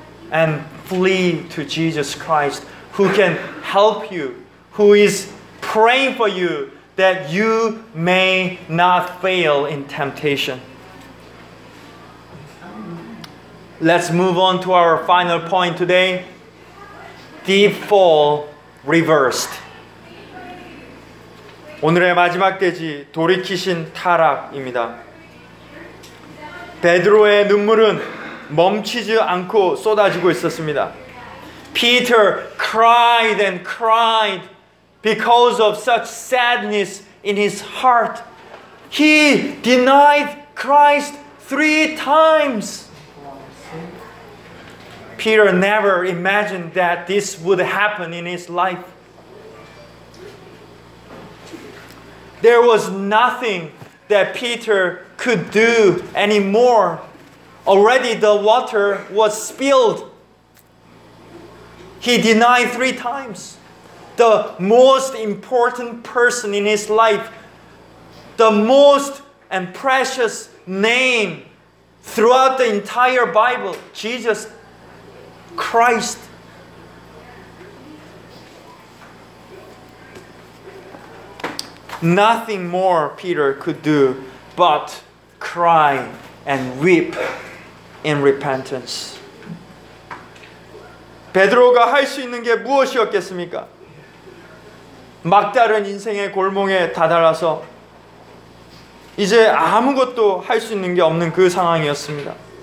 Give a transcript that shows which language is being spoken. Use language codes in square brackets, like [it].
[en] And flee to Jesus Christ, who can help you, who is praying for you that you may not fail in temptation. Let's move on to our final point today. Deep fall reversed. [ko] 오늘의 마지막 대지 돌이키신 타락입니다. 베드로의 눈물은 멈추지 않고 쏟아지고 있었습니다. [en] Peter cried and cried because of such sadness in his heart. He denied Christ three times. Peter never imagined that this would happen in his life. There was nothing that Peter could do anymore. Already the water was spilled. He denied three times. The most important person in his life, the most and precious name throughout the entire Bible, Jesus Christ. Nothing more Peter could do but cry and weep in repentance. [ko] 베드로가 할 수 있는 게 무엇이었겠습니까? 막다른 인생의 골목에 다다라서 이제 아무것도 할 수 있는 게 없는 그 상황이었습니다.